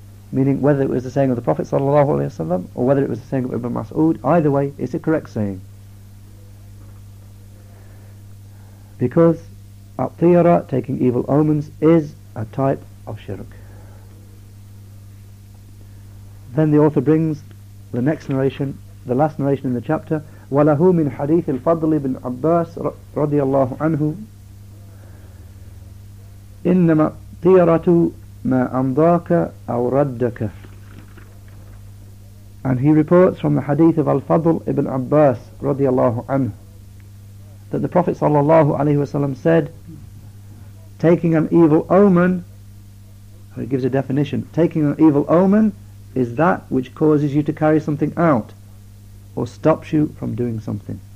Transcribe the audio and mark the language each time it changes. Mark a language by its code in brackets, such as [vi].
[en] Meaning, whether it was the saying of the Prophet sallallahu alaihi wasallam or whether it was the saying of Ibn Mas'ud, either way, it's a correct saying. Because at-tira, taking evil omens, is a type of shirk. Then the author brings the next narration, the last narration in the chapter, [ar] وَلَهُ مِنْ حَدِيثِ الْفَضْلِ بِنْ عَبَّاسِ رَضِيَ اللَّهُ عَنْهُ إِنَّمَا طِيَرَةُ مَا أَمْضَاكَ أَوْ رَدَّكَ. [en] And he reports from the hadith of Al-Fadl ibn Abbas [ar] رضي الله عنه [en] that the Prophet [ar] صلى الله عليه وسلم [en] said, taking an evil omen, he gives a definition, taking an evil omen is that which causes you to carry something out or stops you from doing something.